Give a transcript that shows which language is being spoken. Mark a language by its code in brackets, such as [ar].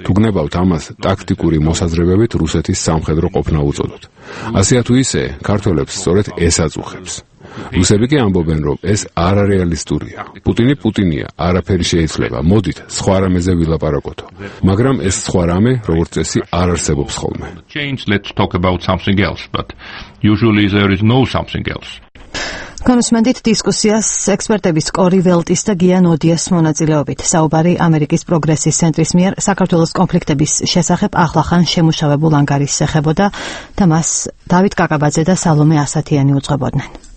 [ka] თუ გნებავთ ამას ტაქტიკური მოსაზრებებით, რუსეთის სამხედრო ყოფნა უწოდოთ. ასე თუ ისე, ქართველებს სწორედ ეს აწუხებს. რუსები კი ამბობენ, რომ ეს არარეალისტურია. პუტინი პუტინია, არაფერი შეიძლება. მოდით, სხვა რამეზე ვილაპარაკოთ. მაგრამ ეს სხვა რამე, როგორც წესი, არ არსებობს ხოლმე. [en] Change, let's talk about something else, but usually there is no something else. [ka] კომსმენდით დისკუსიას ექსპერტების კორი ველტის და გიან ოდიას მონაწილეობით. საუბარი ამერიკის პროგრესის ცენტრის მიერ საქართველოს კონფლიქტების შესახებ ახლახან შემუშავებულ ანგარიშს ეხებოდა და მას დავით კაკაბაძე და სალომე ასათიანი უძღვებოდნენ.